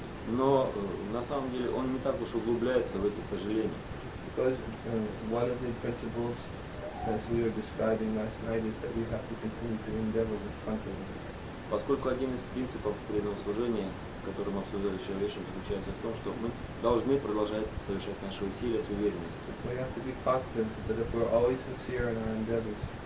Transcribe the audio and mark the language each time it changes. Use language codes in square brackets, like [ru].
[ru] Но на самом деле он не так уж углубляется в эти сожаления. [en] Because one of the principles, as we were describing last night, is that we have to continue to endeavor with confidence. [ru] Поскольку один из принципов преданного служения, к который мы обсуждали вчера вечером, заключается в том, что мы должны продолжать совершать наши усилия с уверенностью. [en] We have to be confident that if we're always sincere in our endeavors.